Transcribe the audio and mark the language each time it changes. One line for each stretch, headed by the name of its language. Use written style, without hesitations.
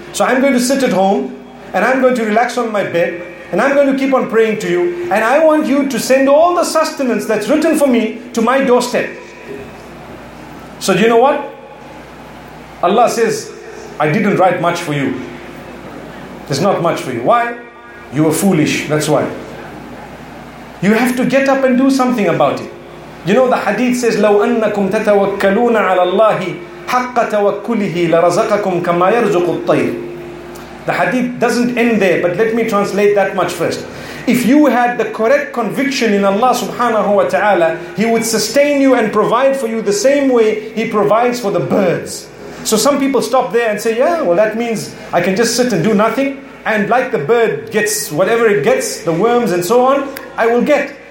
English: So I'm going to sit at home, and I'm going to relax on my bed, and I'm going to keep on praying to you, and I want you to send all the sustenance that's written for me to my doorstep. So do you know what? Allah says, I didn't write much for you. There's not much for you. Why? You were foolish, that's why. You have to get up and do something about it.
Arabic: You know the hadith says, لَوْ أَنَّكُمْ تَتَوَكَّلُونَ عَلَى اللَّهِ حَقَّ تَوَكُّلِهِ لَرَزَقَكُمْ كَمَا يَرْزُقُ الطَّيْرِ.
English: The hadith doesn't end there, but let me translate that much first. If you had the correct conviction in Allah subhanahu wa ta'ala, He would sustain you and provide for you the same way He provides for the birds. So some people stop there and say, yeah, well that means I can just sit and do nothing, and like the bird gets whatever it gets, the worms and so on, I will get.